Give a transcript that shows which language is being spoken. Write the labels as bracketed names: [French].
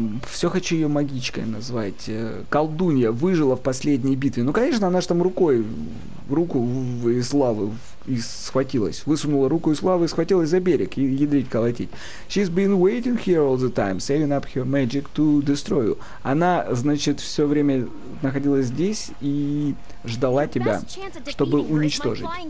[Russian] Все хочу ее магичкой назвать. Колдунья выжила в последней битве. Ну, конечно, она же там рукой... Руку и славы и схватилась. Высунула руку и славы и схватилась за берег. И ядрить, колотить. [English] She's been waiting here all the time, saving up her magic to destroy you. [Russian] Она, значит, все время находилась здесь и ждала тебя, чтобы уничтожить.